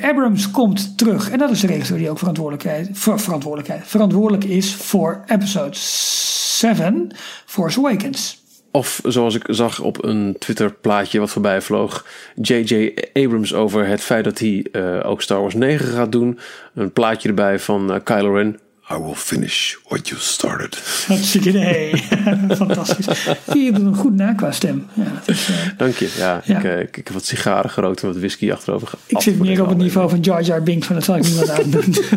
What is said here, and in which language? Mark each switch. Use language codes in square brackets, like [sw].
[nl] Abrams komt terug. En dat is de regisseur die ook verantwoordelijk is voor episode 7, Force Awakens. Of zoals ik zag op een Twitter-plaatje wat voorbij vloog, J.J. Abrams over het feit dat hij ook Star Wars 9 gaat doen. Een plaatje erbij van Kylo Ren. [en] I will finish what you started. [nl] Hartstikke idee. Fantastisch. Je doet hem goed na qua stem. Ja, dank je. Ja, ik heb wat sigaren gerookt en wat whisky achterover. Ik zit meer op het niveau van Jar Jar Binks, van dat zal ik niet wat aan doen.